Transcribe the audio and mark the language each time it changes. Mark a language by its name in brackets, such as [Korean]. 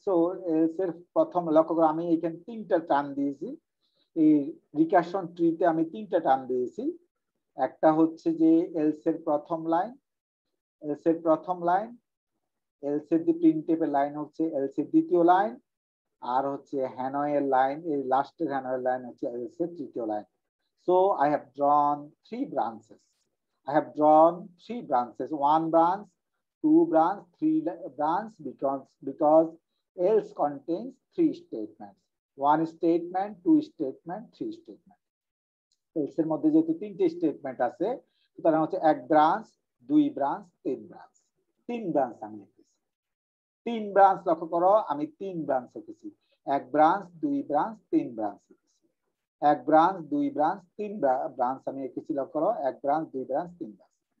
[Bangla] So else এর প্রথম লক্ষ্য করো, আমি এখানে তিনটা টার্ন দিয়েছি এই রিকার্সন ট্রিতে, আমি তিনটা টার্ন দিয়েছি। একটা হচ্ছে যে else এর প্রথম লাইন, else এর প্রথম লাইন, else এর দি প্রিন্টেবল লাইন হচ্ছে else এর দ্বিতীয় লাইন, আর হচ্ছে হ্যানয়ের লাইন, এই লাস্টের হ্যানয়ের লাইন হচ্ছে else এর তৃতীয় line. [English] So I have drawn 3 branches, I have drawn 3 branches, 1 branch, 2 branch, 3 branch, because else contains 3 statements, 1 statement, 2 statement, 3 statement. [Bangla] Else এর মধ্যে যেহেতু 3টে স্টেটমেন্ট আছে, তার মানে হচ্ছে [English] 1 branch, 2 branch, 3 branch. [Bangla] 3 branch আমি লিখেছি, 3 branch লক্ষ্য করো, আমি 3 branch লিখেছি, [English] 1 branch, 2 branch, 3 branch. [Bangla] এক ব্রাঞ্চ, দুই ব্রাঞ্চ, তিন ব্রাঞ্চ আমি এঁকেছি লক্ষ্য করো, এক ব্রাঞ্চ, দুই ব্রাঞ্চ, তিন ব্রাঞ্চ।